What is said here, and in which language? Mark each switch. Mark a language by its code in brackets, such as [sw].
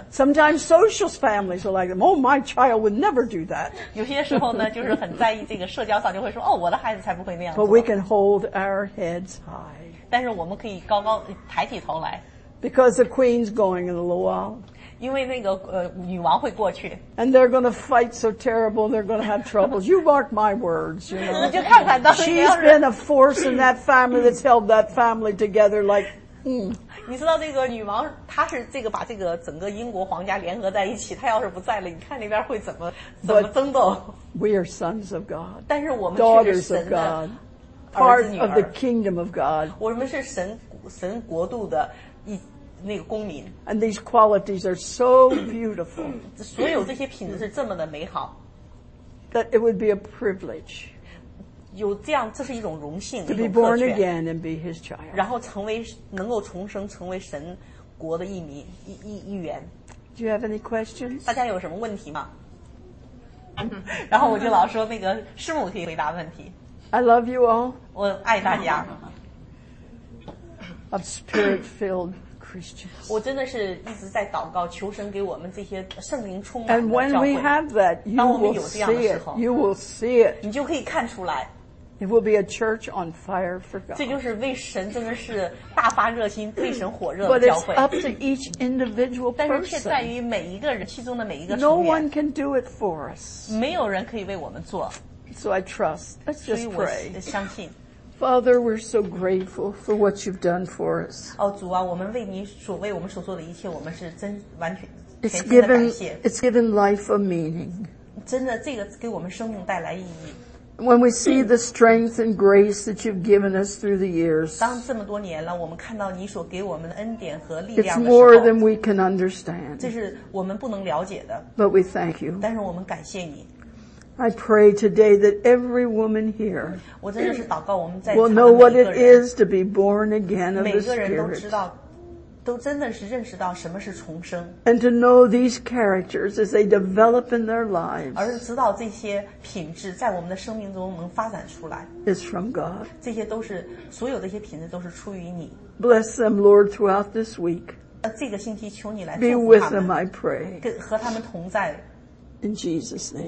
[en] Sometimes social families are like them Oh my child would never do that [zh] 有些时候呢就是很在意这个社交上就会说哦我的孩子才不会那样做 [en] But we can hold our heads high [zh] 但是我们可以高高抬起头来 [en] Because the queen's going in a little while [zh] 因为那个女王会过去。 [en] And they're gonna fight so terrible and they're gonna have troubles. You mark my words, you know. [zh] 就看看到底要是。 [en] She's been a force in that family that's held that family together like, [zh] 你知道这个女王她是这个把这个整个英国皇家联合在一起她要是不在了你看那边会怎么争斗。 [en] We are sons of God. [zh] 但是我们是神的。 [en] Daughters of God. Part of the kingdom of God. [zh] 我们是神国度的一那个公民 [en] And these qualities are so beautiful. [zh] 所有这些品质是这么的美好 [en] That it would be a privilege. [zh] 有这样，这是一种荣幸。 [en] To be born again and be His child. [zh] 然后成为能够重生，成为神国的一员。 [en] Do you have any questions? [zh] 大家有什么问题吗？然后我就老说那个师母可以回答问题。 [en] I love you all. [zh] 我爱大家。 [en] Of spirit filled. Christians. [zh] 我真的是一直在祷告，求神给我们这些圣灵充满。 [en] And when we have that, you will see it. You will see it. [zh] 你就可以看出来。 [en] It will be a church on fire for God. [zh] 这就是为神真的是大发热心，对神火热的教会。 [en] But it's up to each individual person. [zh] 但是却在于每一个人，其中的每一个。 [en] No one can do it for us. [zh] 没有人可以为我们做。 [en] So I trust. Let's just pray. [zh] 所以我相信。 [en] Father, we're so grateful for what you've done for us. [zh] Oh, 主啊，我们为你所为我们所做的一切，我们是真完全全心的感谢。 [en] It's given life a meaning. [zh] 真的，这个给我们生命带来意义。 [en] When we see the strength and grace that you've given us through the years, [zh] 当这么多年了，我们看到你所给我们的恩典和力量的时候， [en] it's more than we can understand. [zh] 这是我们不能了解的。 [en] But we thank you. [zh] 但是我们感谢你。 [en] I pray today that every woman here will know what it is to be born again of the Spirit. [zh] 每个人都知道，都真的是认识到什么是重生。 [en] And to know these characters as they develop in their lives. [zh] 而知道这些品质在我们的生命中能发展出来。 [en] Is from God. [zh] 这些都是所有这些品质都是出于你。 [en] Bless them, Lord, throughout this week. [zh] 这个星期求你来祝福他们。 [en] Be with them, I pray. [zh] 和他们同在。 [en] In Jesus' name.